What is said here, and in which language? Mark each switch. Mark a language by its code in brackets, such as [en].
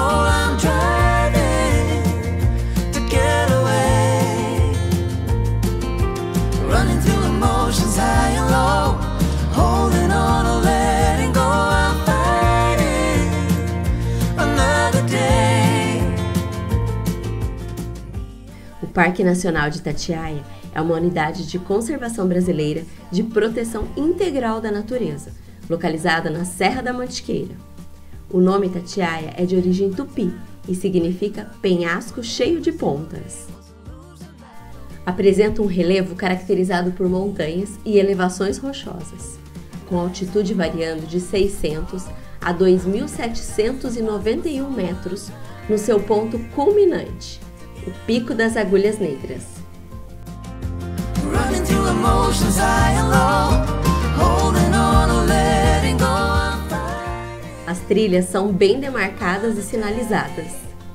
[en] I'm driving to get away. Running through emotions high and low. Holding on or letting go. I'm fighting another day. [pt] O Parque Nacional de Itatiaia é uma unidade de conservação brasileira de proteção integral da natureza, localizada na Serra da Mantiqueira. O nome Itatiaia é de origem tupi e significa penhasco cheio de pontas. Apresenta um relevo caracterizado por montanhas e elevações rochosas, com altitude variando de 600 a 2.791 metros no seu ponto culminante, o Pico das Agulhas Negras. [en] Running through emotions high and low, holding on or letting go. As [pt] trilhas são bem demarcadas e sinalizadas.